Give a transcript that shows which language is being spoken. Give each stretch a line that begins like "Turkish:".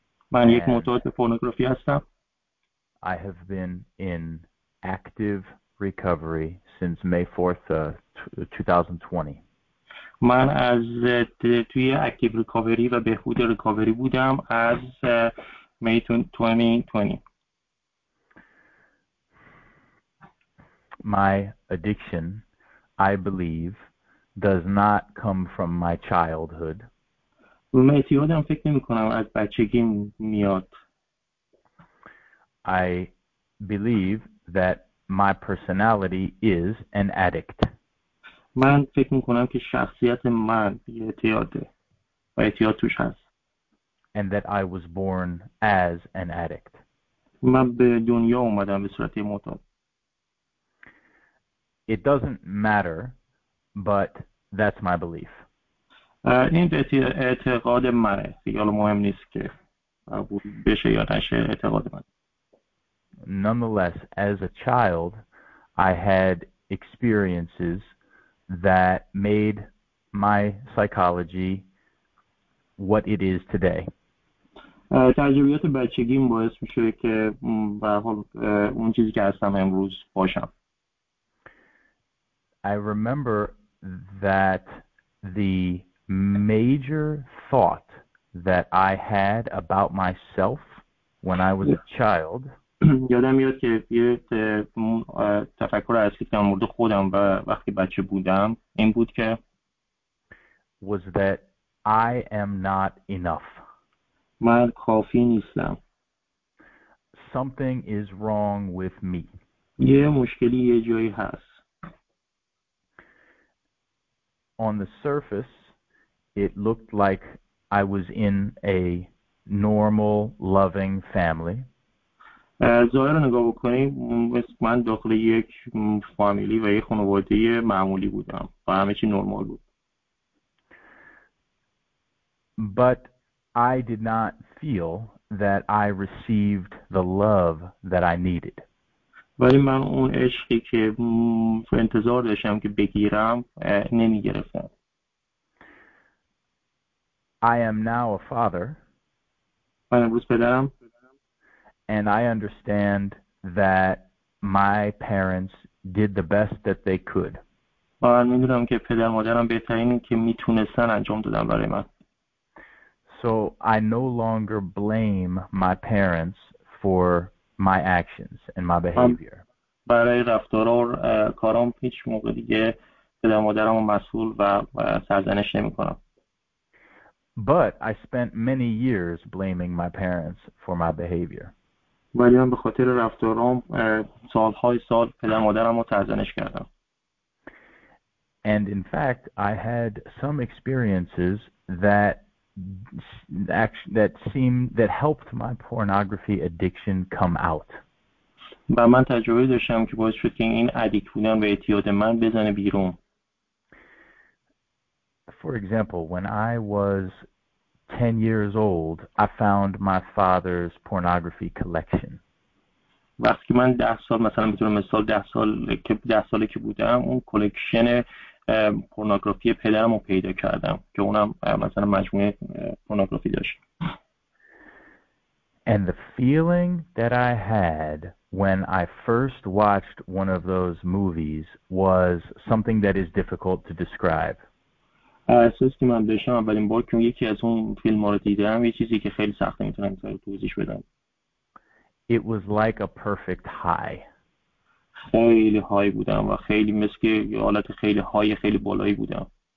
Persian: من یک معتاد به پورنوگرافی هستم.
English: I have been in active recovery since May 4th, 2020.
Persian: من از توی اکتیو ریکاوری و بهبود ریکاوری بودم از می 2020.
English: My addiction, I believe, does not come from my childhood.
Persian: من اعتیادم فکر نمی کنم از بچگی میاد.
English: I believe that my personality is an addict.
Persian: من فکر میکنم که شخصیت من یه اعتیاده و اعتیاد توش هست.
English: And that I was born as an addict.
Persian: من به دنیا اومدم به صورت معتاد.
English: It doesn't matter, but that's my belief.
Persian: این اعتقاد منه. خیال مهم نیست که بشه یا نشه اعتقاد من.
English: Nonetheless, as a child, I had experiences that made my psychology what it is today.
Persian: تجربیات بچگیم باعث میشه که به حال اون چیزی که هستم امروز باشم.
English: I remember that the major thought that I had about myself when I was a child.
Persian: یادم میاد که یه تفکر اصلی در مورد خودم و وقتی بچه بودم این بود که
English: was that I am not enough.
Persian: من کافی نیستم.
English: Something is wrong with me.
Persian: یه مشکلی یه جایی هست.
English: On the surface, it looked like I was in a normal, loving family.
Persian: ظاهر نگاه بکنیم من داخل یک فامیلی و یک خانواده معمولی بودم و همه چی نرمال بود.
English: But I did not feel that I received the love that I needed.
Persian: ولی من اون عشقی که انتظار داشتم که بگیرم نمی گرفتم.
English: I am now a father.
Persian: من امروز پدرم.
English: And I understand that my parents did the best that they could.
Persian: من می‌دونم که پدر مادرم بهترین که می‌تونستن انجام دادن برای من.
English: So I no longer blame my parents for my actions and my behavior.
Persian: برای رفتار و کارام هیچ موقع دیگه پدر مادرمو مسئول و سرزنش نمی‌کنم.
English: But I spent many years blaming my parents for my behavior.
Persian: ولی من به خاطر رفتارم سالهای سال پدر مادرم رو سرزنش کردم.
English: And in fact, I had some experiences that helped my pornography addiction come out.
Persian: و من تجربه داشتم که باعث شد که این ادیکت بودن به اعتیاد من بزنه بیرون.
English: For example, when I was 10 years old, I found my father's pornography collection.
Persian: وقتی من 10 سال مثلا میتونم مثال 10 سالی که بودم اون کلکشن پورنوگرافی پدرم رو پیدا کردم که اونم مثلا مجموعه پورنوگرافی داشت.
English: And the feeling that I had when I first watched one of those movies was something that is difficult to describe.
Persian: احساس که من داشتم اولین بار که یکی از اون فیلم ها رو دیدم یه چیزی که خیلی سخته میتونم توضیح بدم.
English: It was like a perfect high.
Persian: خیلی های بودم و خیلی مثل که حالت خیلی های خیلی بالایی بودم.